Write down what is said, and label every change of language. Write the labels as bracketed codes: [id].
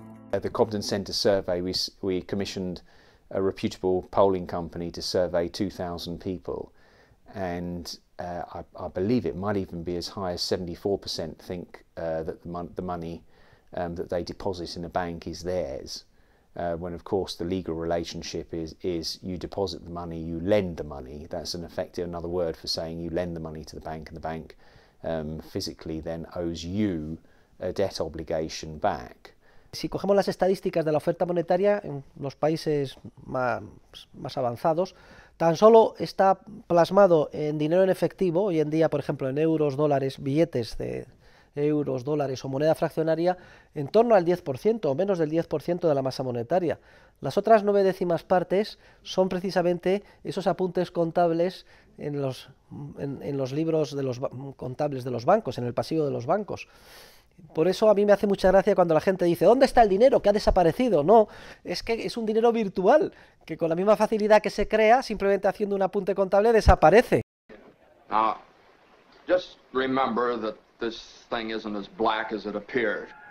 [en] At the Cobden Center survey, we commissioned a reputable polling company to survey 2,000 people, and I believe it might even be as high as 74% think that the money that they deposit in a bank is theirs. When of course the legal relationship is you deposit the money, you lend the money. That's an effective another word for saying you lend the money to the bank, and the bank physically then owes you a debt obligation back. [es] Si cogemos las estadísticas de la oferta monetaria en los países más avanzados, tan solo está plasmado en dinero en efectivo, hoy en día, por ejemplo, en euros, dólares, billetes de euros, dólares o moneda fraccionaria, en torno al 10% o menos del 10% de la masa monetaria. Las otras 9 décimas partes son precisamente esos apuntes contables en los libros de los contables de los bancos, en el pasivo de los bancos. Por eso a mí me hace mucha gracia cuando la gente dice, ¿dónde está el dinero? ¿Qué ha desaparecido? No, es que es un dinero virtual, que con la misma facilidad que se crea, simplemente haciendo un apunte contable, desaparece. [en] Now, just remember that this thing isn't as black as it appears.